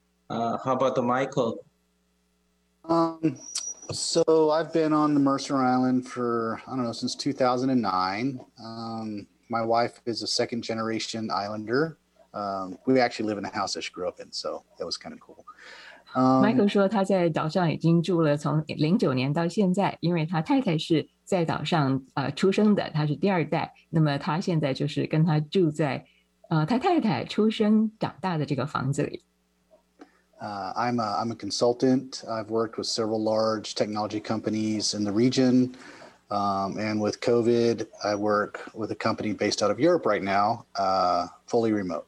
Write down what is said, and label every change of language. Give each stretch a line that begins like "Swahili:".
English: How about Michael? So I've been on the Mercer Island for, I don't know, since 2009. My wife is a second generation Islander. We actually live in a house that she grew up in, so that was kind of cool.
Chinese: Michael 说他在岛上已经住了从2009年到现在，因为他太太是在岛上出生的，他是第二代，那么他现在就是跟他住在他太太出生长大的这个房子里。
English: I'm a consultant. I've worked with several large technology companies in the region. And with COVID, I work with a company based out of Europe right now, fully remote.